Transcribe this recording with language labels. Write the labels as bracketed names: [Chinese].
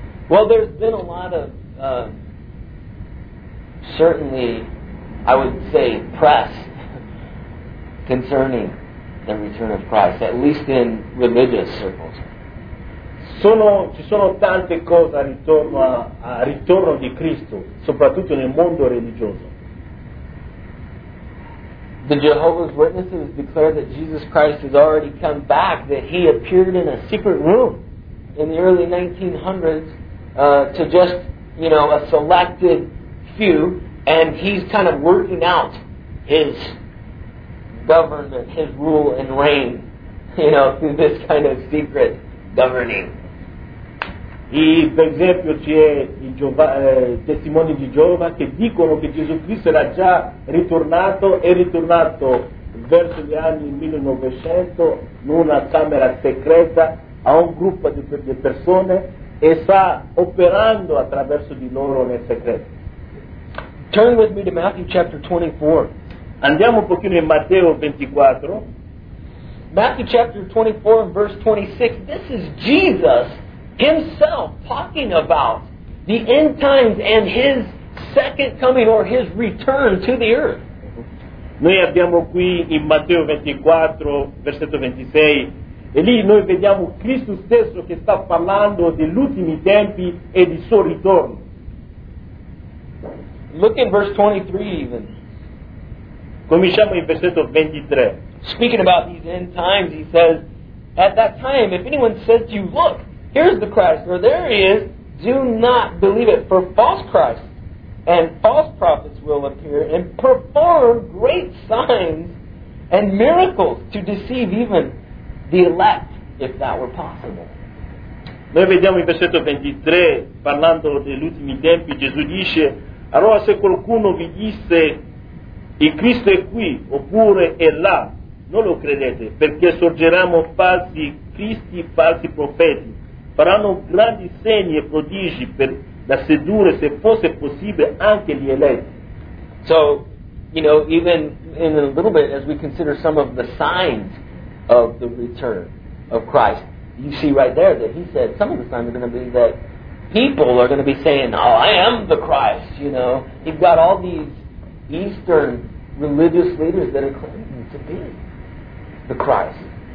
[English] Well, there's been a lot of certainly I would say press concerning the return of Christ, at least in religious circles. [Italian] Ci sono tante cose a ritorno di Cristo, soprattutto nel mondo religioso. [English] The Jehovah's Witnesses declare that Jesus Christ has already come back, that he appeared in a secret room in the early 1900s to just, you know, a selected few, and he's kind of working out his government, his rule and reign, you know, through this kind of secret governing. [Italian] E per esempio c'è i testimoni di Geova che dicono che Gesù Cristo era già ritornato, è ritornato verso gli anni 1900 in una camera segreta a un gruppo di persone e sta operando attraverso di loro nel segreto. [English] Turn with me to Matthew chapter 24. [Italian] Andiamo un pochino in Matteo 24. [English] Matthew chapter 24 and verse 26. This is Jesus himself talking about the end times and his second coming or his return to the earth. [Italian] Noi abbiamo qui in Matteo 24 versetto 26 e lì noi vediamo Cristo stesso che sta parlando degli ultimi tempi e di suo ritorno. [English] Look in verse 23 even. [Italian] Cominciamo in versetto 23. [English] Speaking about these end times, he says, at that time, if anyone says to you, look, here's the Christ, or there he is, do not believe it, for false Christs and false prophets will appear and perform great signs and miracles to deceive even the elect, if that were possible. [Italian] Noi vediamo in versetto 23, parlando degli ultimi tempi, Gesù dice, allora se qualcuno vi disse, il Cristo è qui, oppure è là, non lo credete, perché sorgeranno falsi Cristi, falsi profeti. Faranno grandi segni e prodigi per la sedurre, se fosse possibile, anche gli eletti. [English] So, you know, even in a little bit, as we consider some of the signs of the return of Christ, you see right there that he said some of the signs are going to be that people are going to be saying, oh, I am the Christ, you know. You've got all these Eastern religious leaders that are claiming to be the Christ.